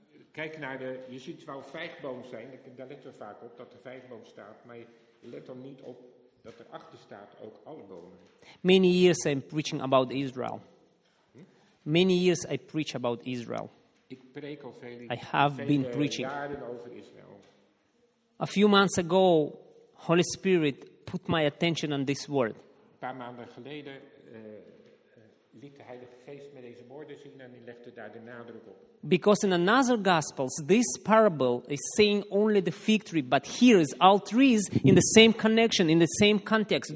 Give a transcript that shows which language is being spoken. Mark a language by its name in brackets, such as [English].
[Dutch] Kijk naar de, je ziet wel vijgboom zijn, daar letten we vaak op dat er vijgboom staat, maar je let dan niet op dat er achter staat ook alle bomen. [English] Many years I'm preaching about Israel. Many years I preach about Israel. [Dutch] Ik preek al veel [English] I have [Dutch] veel [English] been preaching. [Dutch] Jaren over Israel. [English] A few months ago, Holy Spirit put my attention on this word. [Dutch] Een paar maanden geleden liet de Heilige Geest me deze woorden zien en die legde daar de nadruk op. [English] Because in another Gospels, this parable is saying only the fig tree, but here is all trees in the same connection, in the same context.